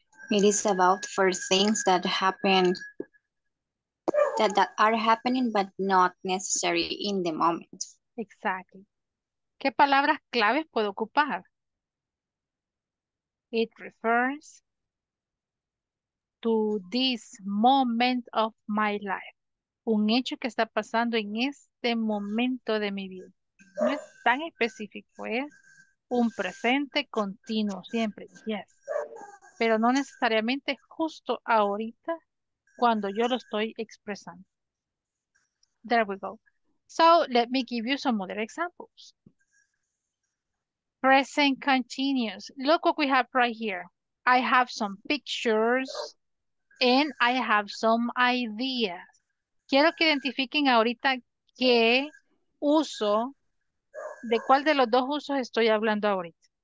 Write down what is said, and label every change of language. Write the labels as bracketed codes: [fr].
[en] It is about for things that happen, that are happening, but not necessary in the moment. [es] Exactly. ¿Qué palabras claves puedo ocupar? [en] It refers to this moment of my life. [es] Un hecho que está pasando en este momento de mi vida. No es tan específico, es un presente continuo siempre. Yes. Pero no necesariamente justo ahorita cuando yo lo estoy expresando. [en] There we go. So, let me give you some other examples. Present continuous. Look what we have right here. I have some pictures and I have some ideas. [es] Quiero que identifiquen ahorita qué uso, de cuál de los dos usos estoy hablando ahorita.